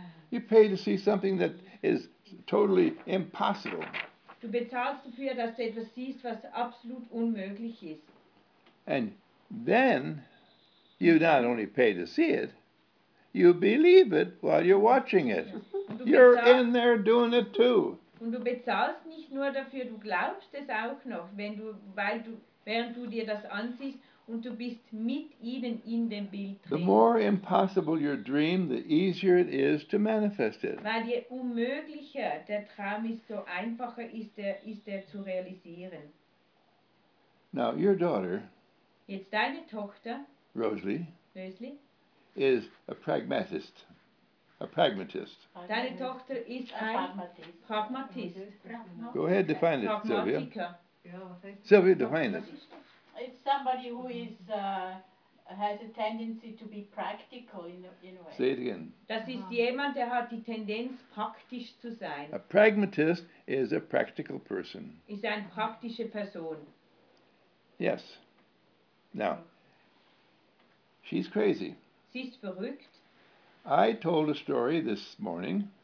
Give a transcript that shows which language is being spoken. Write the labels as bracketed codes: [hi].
[en] You pay to see something that is totally impossible. [de] Du bezahlst dafür, dass du etwas siehst, was absolut unmöglich ist. [en] And then you not only pay to see it, you believe it while you're watching it. You're in there doing it too. [de] Und du bezahlst nicht nur dafür, du glaubst es auch noch, während du dir das ansiehst. Und du bist mit ihnen in dem Bild drin. [en] The more impossible your dream, the easier it is to manifest it. [de] Weil je unmöglicher der Traum ist, so einfacher ist er zu realisieren. [en] Now, your daughter, [de] jetzt deine Tochter, Rosalie, Rosalie, [en] is a pragmatist. A pragmatist. [de] Deine Tochter ist ein Pragmatist. [en] Go ahead, define it, Sylvia. Yeah, Sylvia, define it. It's somebody who is has a tendency to be practical in a way. Say it again. [de] Das ist jemand, der hat die Tendenz, praktisch zu sein. [en] A pragmatist is a practical person. [de] Ist eine praktische Person. [en] Yes. Now, she's crazy. [de] Sie ist verrückt. [en] I told a story this morning.